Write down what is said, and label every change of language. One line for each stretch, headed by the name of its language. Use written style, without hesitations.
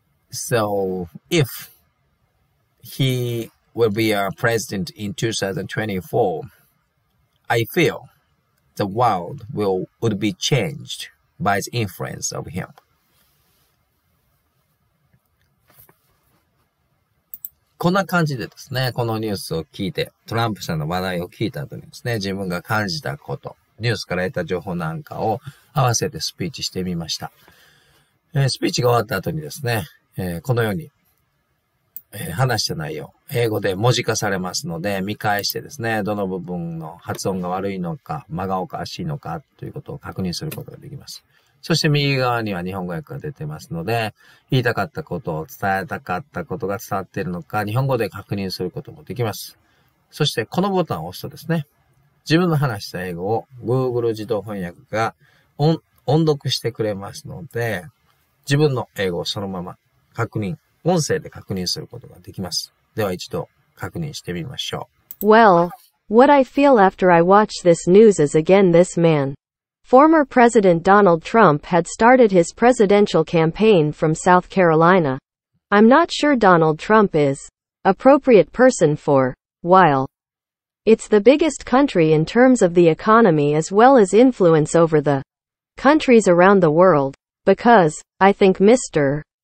English: So if he will be a president in 2024, I feel the world would be changed by the influence of him.
Japanese: こんな感じでですね、このニュースを聞いて、トランプさんの話題を聞いた後にですね、自分が感じたこと、ニュースから得た情報なんかを合わせてスピーチしてみました。スピーチが終わった後にですね、このように、話した内容、英語で文字化されますので、見返してですね、どの部分の発音が悪いのか、間がおかしいのかということを確認することができます。そして右側には日本語訳が出てますので、言いたかったことを伝えたかったことが伝わっているのか、日本語で確認することもできます。そしてこのボタンを押すとですね、自分の話した英語を Google 自動翻訳が音読してくれますので、自分の英語をそのまま確認、音声で確認することができます。では一度確認してみましょう。
English: Well, what I feel after I watch this news is again this man. Former President Donald Trump had started his presidential campaign from South Carolina. I'm not sure Donald Trump is appropriate person for, while it's the biggest country in terms of the economy as well as influence over the countries around the world, because I think Mr.